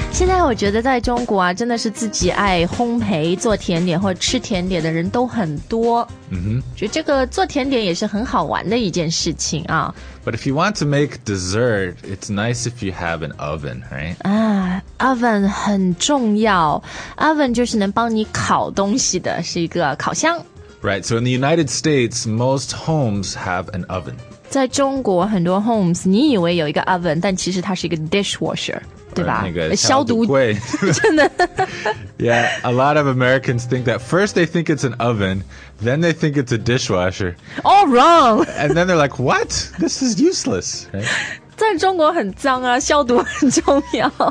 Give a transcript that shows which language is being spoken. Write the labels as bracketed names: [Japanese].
[Chinese] 现在我觉得在中国啊，真的是自己爱烘焙做甜点或吃甜点的人都很多。嗯哼，就这个做甜点也是很好玩的一件事情啊。 [English] But if you want to make dessert, it's nice if you have an oven, right? [Chinese] Oven 很重要。Oven 就是能帮你烤东西的，是一个烤箱。 [English] Right, so in the United States, most homes have an oven. [Chinese] 在中国很多 homes, 你以为有一个 oven, 但其实它是一个 dishwasher. 对吧，消毒柜真的 [English] Yeah, a lot of Americans think that first they think it's an oven, then they think it's a dishwasher. All wrong! And then they're like, what? This is useless, right? [Chinese] 在中国很脏啊，消毒很重要。